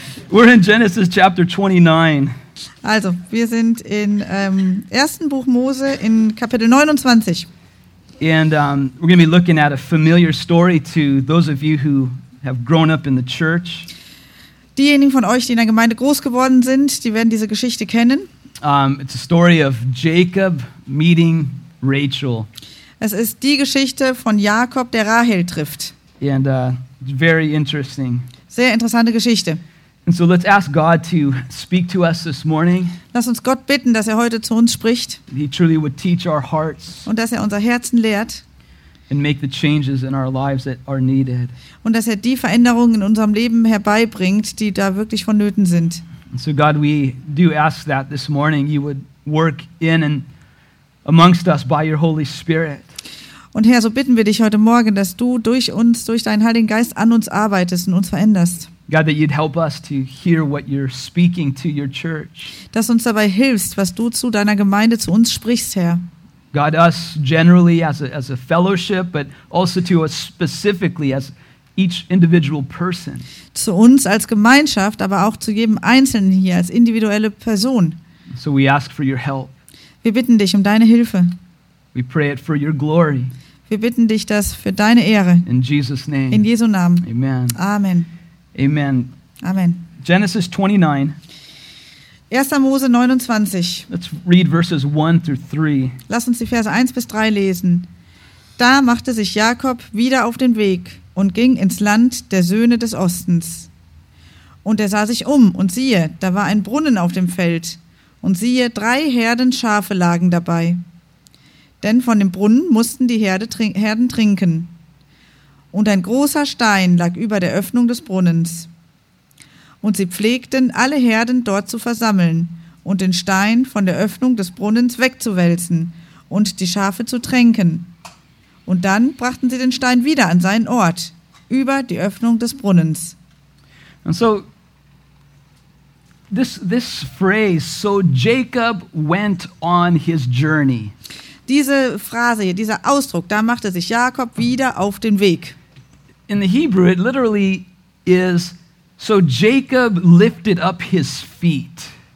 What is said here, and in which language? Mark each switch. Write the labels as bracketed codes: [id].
[en] We're in Genesis chapter 29. [de] Also, wir sind in ersten Buch Mose in Kapitel 29. [en] And we're going to be looking at a familiar story to those of you who have grown up in the church. [de] Diejenigen von euch, die in der Gemeinde groß geworden sind, die werden diese Geschichte kennen. [en] It's a story of Jacob meeting Rachel. [de] Es ist die Geschichte von Jakob, der Rahel trifft. [en] And very interesting. [de] Sehr interessante Geschichte. [en] And so let's ask God to speak to us this morning. [de] Lass uns Gott bitten, dass er heute zu uns spricht. [en] He truly would teach our hearts. [de] Und dass er unser Herzen lehrt. [en] And make the changes in our lives that are needed. [de] Und dass er die Veränderungen in unserem Leben herbeibringt, die da wirklich vonnöten sind. [en] And so God, we do ask that this morning you would work in and amongst us by your Holy Spirit. [de] Und Herr, so bitten wir dich heute Morgen, dass du durch uns, durch deinen Heiligen Geist an uns arbeitest und uns veränderst. [en] God, that you'd help us to hear what you're speaking to your church. [de] Dass uns dabei hilfst, was du zu deiner Gemeinde, zu uns sprichst, Herr. [en] God, us generally as a fellowship, but also to us specifically as each individual person. [de] Zu uns als Gemeinschaft, aber auch zu jedem Einzelnen hier als individuelle Person. [en] So we ask for your help. [de] Wir bitten dich um deine Hilfe. [en] We pray it for your glory. [de] Wir bitten dich das für deine Ehre. [en] In Jesus' name. [de] In Jesu Namen. [en] Amen. [de] Amen. [en] Amen. [de] Amen. [en] Genesis 29. [de] 1. Mose 29. [en] Let's read verses 1 through 3. [de] Lass uns die Verse 1 bis 3 lesen. Da machte sich Jakob wieder auf den Weg und ging ins Land der Söhne des Ostens. Und er sah sich um, und siehe, da war ein Brunnen auf dem Feld. Und siehe, drei Herden Schafe lagen dabei. Denn von dem Brunnen mussten die Herden trinken. Und ein großer Stein lag über der Öffnung des Brunnens. Und sie pflegten, alle Herden dort zu versammeln und den Stein von der Öffnung des Brunnens wegzuwälzen und die Schafe zu tränken. Und dann brachten sie den Stein wieder an seinen Ort, über die Öffnung des Brunnens. Und so, [en] this phrase, so Jacob went on his journey. [de] Diese Phrase, dieser Ausdruck, da machte sich Jakob wieder auf den Weg. [en] In the Hebrew, it literally is, so Jacob lifted up his feet.